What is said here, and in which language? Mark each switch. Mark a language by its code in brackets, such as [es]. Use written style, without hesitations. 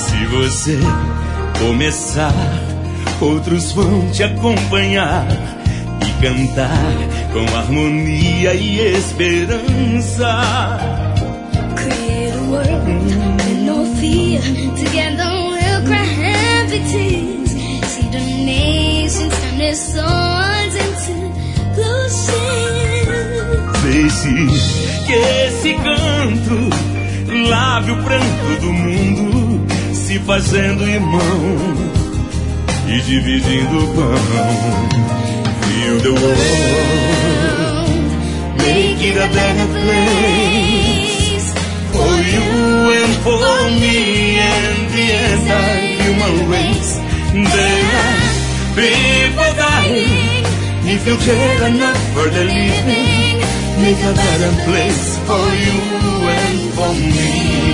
[pt] Você começar, outros vão te acompanhar e cantar com harmonia e esperança. [en] Create a world with no fear. Together we'll cry happy tears. See the nations turn their swords into plowshares. [pt] Deixe que esse canto lave o pranto do mundo, se fazendo irmão e dividindo o pão. [en] Feel the world, make it a better place for you and for me and the entire human race. There are people dying. If you care enough for the living, make a better place for you and for me.